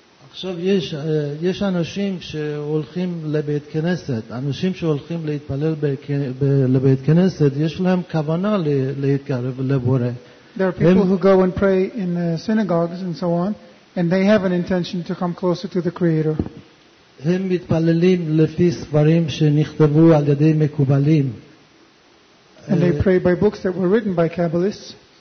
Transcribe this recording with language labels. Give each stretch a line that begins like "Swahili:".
Hebrew: עכשיו יש אנשים שהולכים לבית כנסת, אנשים שהולכים להתפלל לבית כנסת, יש להם כוונה להתקרב לבורא.
English: There are people who go and pray in the synagogues and so on, and they have an intention to come closer to the Creator.
Hebrew: הם מתפללים לפי ספרים שנכתבו על ידי מקובלים.
English: And they pray by books that were written by Kabbalists.